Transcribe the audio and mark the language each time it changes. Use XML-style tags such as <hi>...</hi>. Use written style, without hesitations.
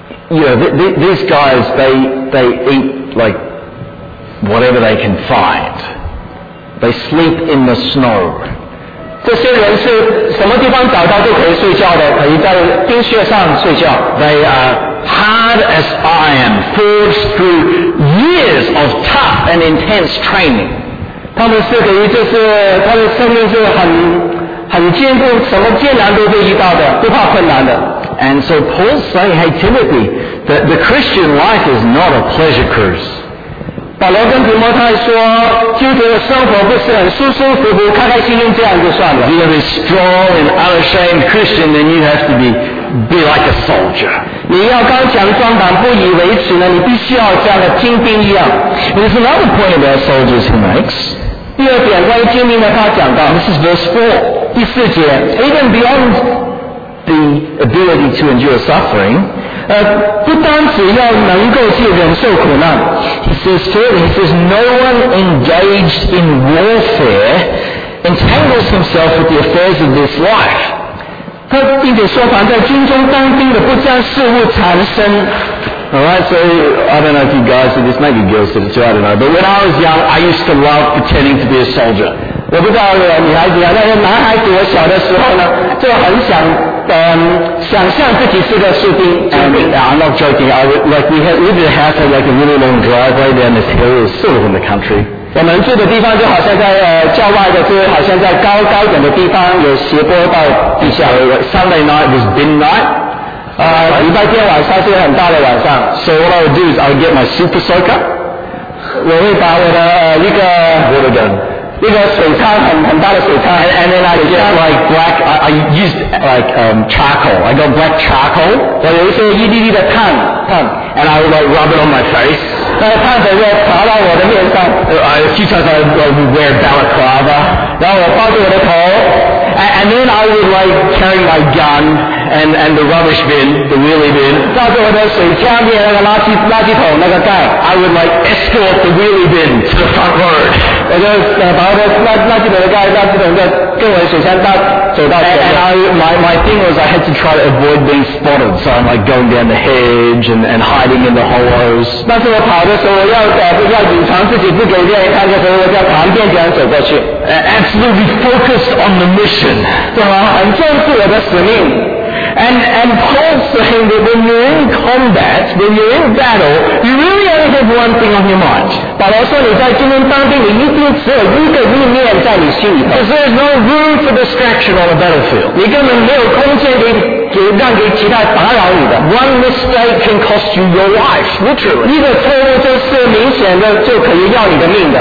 <en>These guys, they eat like whatever they can find. They sleep in the snow.</en> <zh>这些人是什么地方找到都可以睡觉的，可以在冰雪上睡觉。</zh> <en>They are hard as iron, forged through years of tough and intense training.</en> <zh>他们是等于就是他的生命是很坚固，什么艰难都会遇到的，不怕困难的。</zh> <en>And so Paul say, hey Timothy, the Christian life is not a pleasure cruise.</en> <zh>保罗跟提摩太说，基督徒生活不是很舒舒服服、开开心心这样就算了。</zh> <en>If you're a strong and unashamed Christian, then you have to be like a soldier.</en> <zh>你要刚强壮胆、不以为耻呢，你必须要像个精兵一样。</zh> <en>There's another point about soldiers he makes.</en> <zh>第二点关于精兵呢，他讲到</zh> <en>，This is verse 4,</en> <zh>第四节</zh> <en>，Even beyond the ability to endure suffering.</en> <zh>不单只要能够去忍受苦难。</zh> <en>He says further, he says, no one engaged in warfare entangles himself with the affairs of this life.</en> <zh>他并且说凡在军中当兵的不将事务缠身。</zh> <en>Alright, so I don't know if you guys see this, maybe girls see this too, I don't know. But when I was young, I used to love pretending to be a soldier.</en> <zh>我不知道女孩子啊，那些男孩子，我小的时候呢，就很想想象自己是个士兵。</zh> <en>I'm not joking. I would, like we had lived in a house had like a really long driveway down this hill, it was sort of in the country.</en> <zh>我们住的地方就好像在郊外的，就是好像在高高点的地方，有斜坡到地下。</zh> <en>Sunday night was bin night.</en> <zh>礼拜天晚上是很大的晚上。</zh> <en>So what I would do is I would get my super soaker.</en> <zh>我会把我的一个</zh> <en>water gun.</en> <zh>一个水枪，很大的水枪。</zh> <en>And then I get like black, I used like charcoal. I got black charcoal.</en> <zh>我有一些一滴滴的碳，碳。</zh> <en>And I would like rub it on my face.</en> <zh>那碳粉就擦到我的面上。</zh> <en>A few times I would wear balaclava.</en> <zh>然后我抱住我的头。</zh> <en>And then I would like carry my gun and the rubbish bin, the wheelie bin.</en> <zh>抱着我的水枪里那个垃圾桶那个盖。</zh> <en>I would like escort the wheelie bin to the front row.</en> <zh>我就把我的垃圾桶的盖，垃圾桶就跟我的水枪走到前面。</zh> <en>And my thing was I had to try to avoid being spotted, so I'm like going down the hedge and hiding in the hollows.</en> <zh>但是我跑的时候，我要隐藏自己，不给别人看见，所以我就旁边这样走过去。</zh> <en>Absolutely focused on the mission.</en> <zh>对吗？很重视我的使命。</zh> <en>And Paul's saying that when you're in combat, when you're in battle, you really only have one thing on your mind.</en> <zh>保罗说你在今天当兵，你一定只有一个意念在你心里头。</zh> <en>Because there's no room for distraction on a battlefield.</en> <zh>你根本没有空间让给其他打扰你的。</zh> <en>One mistake can cost you your life, literally.</en> <zh>一个错误就是明显的就可以要你的命的。</zh>